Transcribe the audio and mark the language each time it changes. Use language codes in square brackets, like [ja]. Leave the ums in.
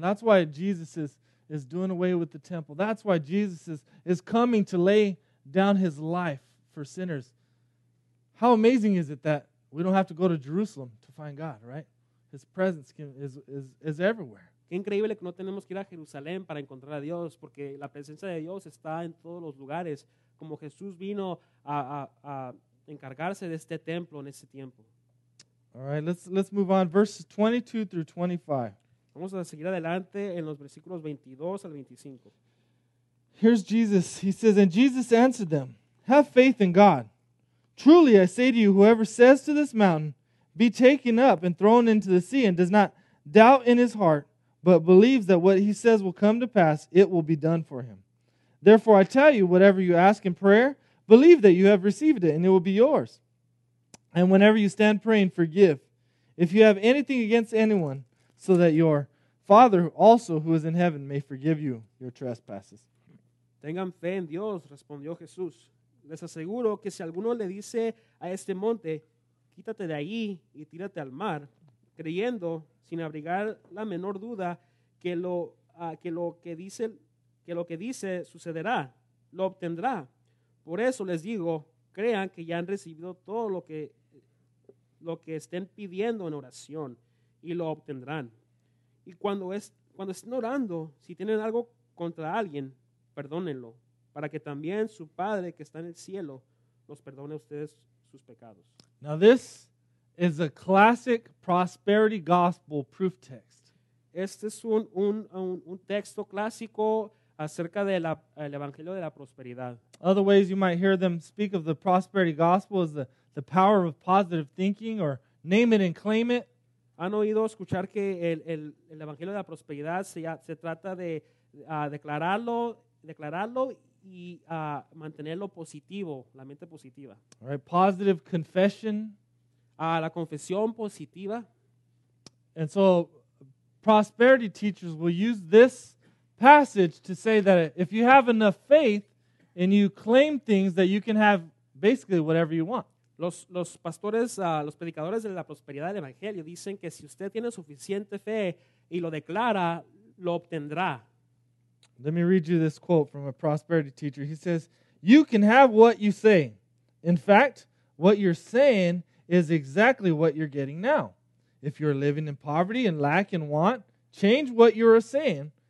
[en] That's why Jesus is, is doing away with the temple. That's why Jesus is, is coming to lay down his life for sinners. How amazing is it that we don't have to go to Jerusalem to find God, right? His presence can, is, is, is everywhere. [es] Qué increíble que no tenemos que ir a Jerusalén para encontrar a Dios, porque la presencia de Dios está en todos los lugares, como Jesús vino a, a, a encargarse de este templo en ese tiempo. [en] All right, let's let's move on. Verses 22 through 25. [es] Vamos a seguir adelante en los versículos 22 al 25. [en] Here's Jesus. He says, and Jesus answered them, "Have faith in God. Truly, I say to you, whoever says to this mountain, be taken up and thrown into the sea, and does not doubt in his heart, but believes that what he says will come to pass, it will be done for him. Therefore, I tell you, whatever you ask in prayer, believe that you have received it, and it will be yours." And whenever you stand praying, forgive. If you have anything against anyone, so that your Father also who is in heaven may forgive you your trespasses. [es] Tengan fe en Dios, respondió Jesús. Les aseguro que si alguno le dice a este monte, quítate de ahí y tírate al mar, creyendo sin abrigar la menor duda que lo uh, que lo que dice que lo que dice sucederá, lo obtendrá. Por eso les digo, crean que ya han recibido todo lo que lo que estén pidiendo en oración y lo obtendrán. Y cuando, es, cuando estén orando, si tienen algo contra alguien, perdónenlo, para que también su Padre que está en el cielo los perdone a ustedes sus pecados. [en] Now this is a classic prosperity gospel proof text. [es] Este es un, un, un texto clásico acerca del de evangelio de la prosperidad. [en] Other ways you might hear them speak of the prosperity gospel is the the power of positive thinking or name it and claim it. I've heard [es] que el, el, el evangelio de la prosperidad se, se trata de uh, declararlo, declararlo y uh, mantenerlo positivo, la mente [en] right, positive confession. Uh, [es] la confesión positiva. [en] And so, prosperity teachers will use this passage to say that if you have enough faith and you claim things, that you can have basically whatever you want. [es] Los, los, pastores, uh, los, predicadores de la prosperidad del Evangelio dicen que si usted tiene suficiente fe y lo declara, lo obtendrá. [en] Let me read you this quote from a prosperity teacher. He says, You can have what you say. In fact, what you're saying is exactly what you're getting now. If you're living in poverty and lack and want, change what you are saying.